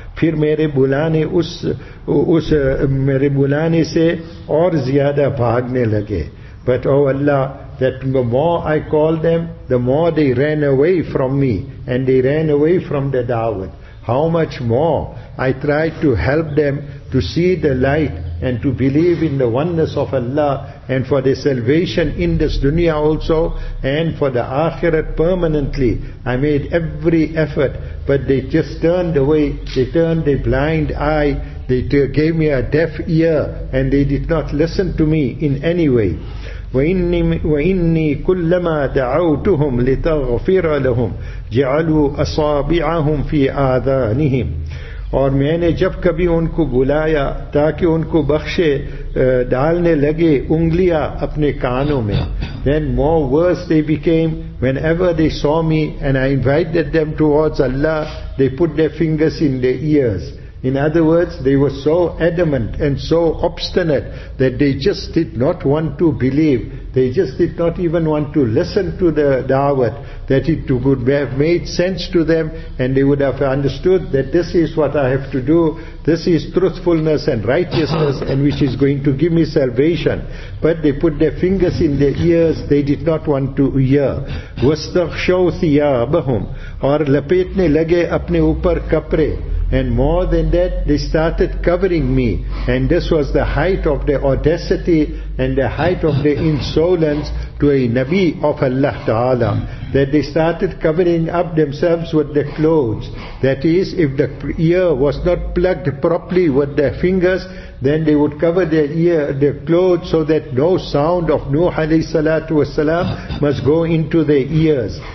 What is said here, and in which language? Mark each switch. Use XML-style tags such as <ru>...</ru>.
<ur>پھر میرے بلانے اس میرے بلانے سے اور زیادہ بھاگنے لگے.</ur> <en>But oh Allah, that the more I called them, the more they ran away from me and they ran away from the da'wah. How much more I tried to help them to see the light and to believe in the oneness of Allah and for their salvation in this dunya also and for the akhirat permanently. I made every effort, but they just turned away, they turned a blind eye, they gave me a deaf ear, and they did not listen to me in any way.</en> <ar>وَإِنِّي كُلَّمَا دَعَوْتُهُمْ لِتَغْفِرَ لَهُمْ جَعَلُوا أَصَابِعَهُمْ فِي آذَانِهِمْ.</ar> <ur>اور میں نے جب کبھی ان کو بلایا تاکہ ان کو بخشے, ڈالنے لگے انگلیاں اپنے کانوں میں.</ur> <en>Then more worse they became whenever they saw me and I invited them towards Allah, they put their fingers in their ears. In other words, they were so adamant and so obstinate that they just did not want to believe. They just did not even want to listen to the da'wat, that it would have made sense to them and they would have understood that this is what I have to do. This is truthfulness and righteousness and which is going to give me salvation. But they put their fingers in their ears. They did not want to hear.</en> <ar>وَاسْتَغْشَوْ ثِيَابَهُمْ.</ar> <ur>اور لپیٹنے لگے اپنے اوپر کپرے.</ur> <en>And more than that, they started covering me. And this was the height of their audacity and the height of their insolence to a Nabi of Allah Ta'ala. That they started covering up themselves with their clothes. That is, if the ear was not plugged properly with their fingers, then they would cover their ear, their clothes, so that no sound of Nuh alayhi salatu wasalam must go into their ears.</en>